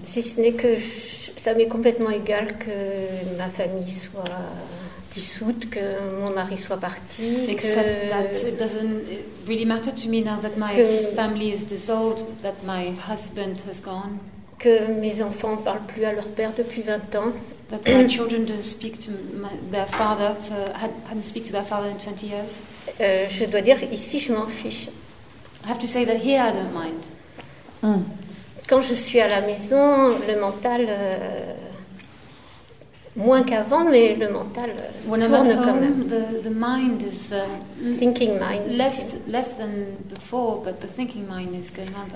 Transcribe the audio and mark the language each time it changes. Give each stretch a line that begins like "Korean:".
French: Si ce n'est que ça m'est complètement égal que ma famille soit dissoute, que mon mari soit parti.
English: Except that it doesn't really matter to me now that my family is dissolved, that my husband has gone.
French: Que mes enfants ne parlent plus à leur père depuis 20 ans.
English: That my children don't speak to their father, hadn't speak to their father in 20 years.
French: Je dois dire, ici, je m'en fiche.
English: I have to say that here I don't mind. Mm.
French: Quand je suis à la maison, le mental, moins qu'avant, mais le mental tourne quand même.
English: When I'm at home, the mind is... thinking mind. Less than before, but the thinking mind is going on.